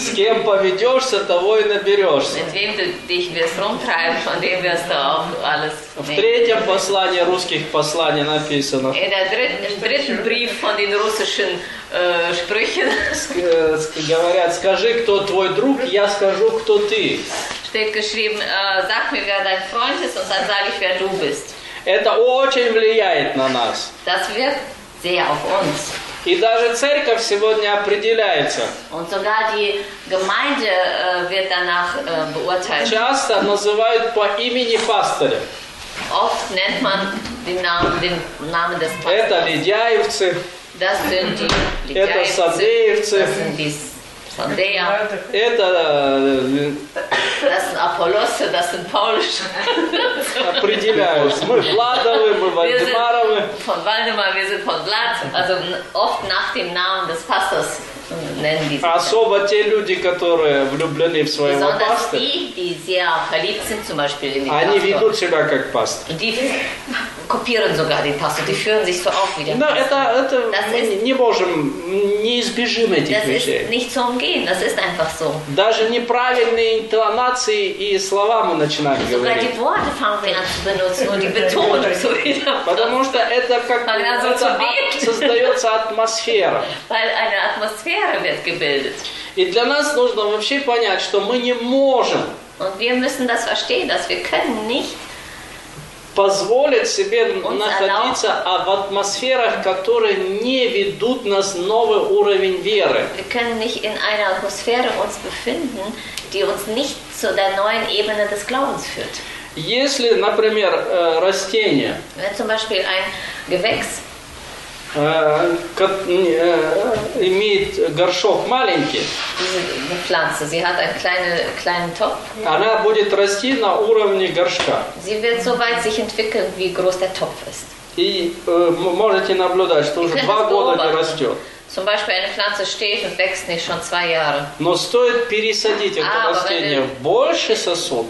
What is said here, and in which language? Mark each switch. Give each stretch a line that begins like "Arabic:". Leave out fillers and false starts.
Russian: С кем поведешься, того и наберешься.
German: Mit wem du dich wirst rumtreiben, von dem wirst du auch alles nehmen.
Russian: В третьем послании русских посланий написано.
German: In der dritten Brief von den russischen Sprüchen.
Russian: Говорят, скажи, кто твой друг, я скажу, кто ты.
German: Steht geschrieben, sag mir, wer dein Freund ist, und dann sage ich, wer du bist.
Russian: Это очень влияет на нас.
German: Das wirkt sehr auf uns.
Russian: И даже церковь сегодня определяется.
German: Und sogar die Gemeinde wird danach beurteilt.
Russian: Часто называют по имени пастора.
German: Oft nennt man den Namen des Pastors.
Russian: Это Лидяевцы.
German: Das sind die Lidjaevce.
Russian: Это Саддеевцы.
German: Das sind die Саддея.
Russian: Это...
German: Das sind Apollosse, das sind Paulische.
Russian: Определяются. Мы Владовы, мы Вальдемаровы.
German: Von Вальдемар, wir sind von Vlad. Also oft nach dem Namen des Pastors nennen die sich.
Russian: Особо те люди, которые влюблены в своего пастора.
German: Besonders die, die sehr verliebt sind, zum Beispiel in den Pastor.
Russian: Они ведут себя как пастор.
German: Die kopieren sogar den Pastor. Die führen sich so auf wie der Pastor. Das ist nicht zu umgehen. Das ist einfach so.
Russian: Даже неправильные интонации и слова мы начинаем
German: sogar
Russian: говорить.
German: Sogar die Worte fangen wir an zu benutzen und die Betonung so wieder.
Russian: Потому что это как создается атмосфера.
German: Weil eine Atmosphäre wird gebildet.
Russian: И для нас нужно вообще понять, что мы не можем.
German: Und wir müssen das verstehen, dass wir können nicht
Russian: позволит себе находиться в атмосферах, которые не ведут нас в новый уровень веры. Мы не можем быть в одной атмосфере, которая не ведет нас к новой уровню веры. Если, например, растение,
German: wenn zum Beispiel ein Gewächs,
Russian: имеет горшок маленький.
German: Diese Pflanze, sie hat einen kleinen Topf.
Russian: Она будет расти на уровне горшка.
German: Sie wird so weit sich entwickeln, wie groß der Topf ist.
Russian: И можете наблюдать, что уже два года не растет.
German: Zum Beispiel eine Pflanze steht und wächst nicht schon zwei Jahre.
Russian: Но стоит пересадить это растение в больший сосуд.